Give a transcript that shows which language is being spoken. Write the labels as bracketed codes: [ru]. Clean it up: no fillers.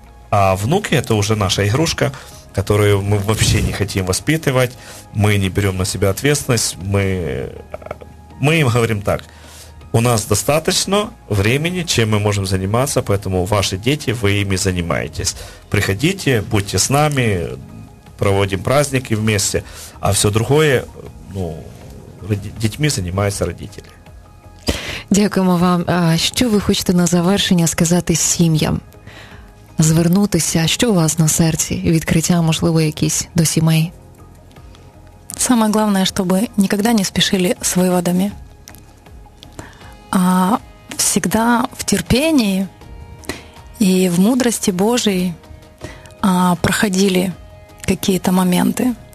[ru] А внуки – это уже наша игрушка, которую мы вообще не хотим воспитывать, мы не берем на себя ответственность, мы им говорим так: у нас достаточно времени, чем мы можем заниматься, поэтому ваши дети, вы ими занимаетесь. Приходите, будьте с нами, проводим праздники вместе, а все другое, ну, детьми занимаются родители. [uk] Дякуємо вам. А що ви хочете на завершення сказати сім'ям? Звернутися, що у вас на серці? Відкриття, можливо, якісь до сімей? [ru] Самое главное, чтобы никогда не спешили с выводами, а всегда в терпении и в мудрости Божией проходили какие-то моменты.